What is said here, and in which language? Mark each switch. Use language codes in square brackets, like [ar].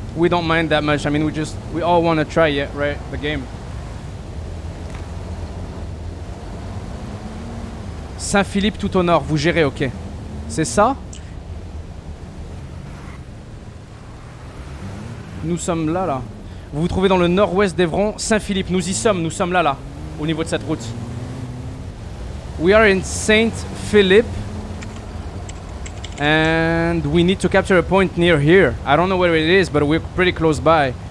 [en] We don't mind that much. I mean, we all want to try it, right? The game. [fr] Saint-Philippe tout au nord. Vous gérez, ok. C'est ça? Nous sommes là, là. Vous vous trouvez dans le nord-ouest d'Evron, Saint-Philippe. Nous y sommes. Nous sommes là, là, au niveau de cette route. [en] We are in Saint-Philippe. And we need to capture a point near here. I don't know where it is, but we're pretty close by.